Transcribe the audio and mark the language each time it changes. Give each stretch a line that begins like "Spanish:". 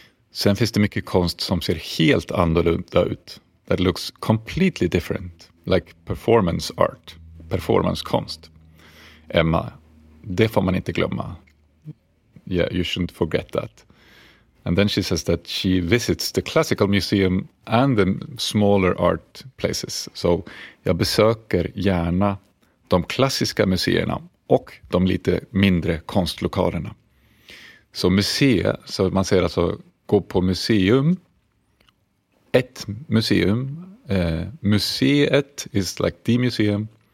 Swedish: Sen finns det mycket konst som ser helt annorlunda ut.
English: That looks completely different. Like performance art.
Swedish: Performance konst. Emma, det får man inte glömma.
English: Yeah, you shouldn't forget that. And then she says that she visits the classical museum and the smaller art places.
Swedish: So, jag besöker gärna de klassiska museerna och de lite mindre konstlokalerna. Så museer, så man säger alltså gå på museum. Ett museum. Museet
English: is like the museum.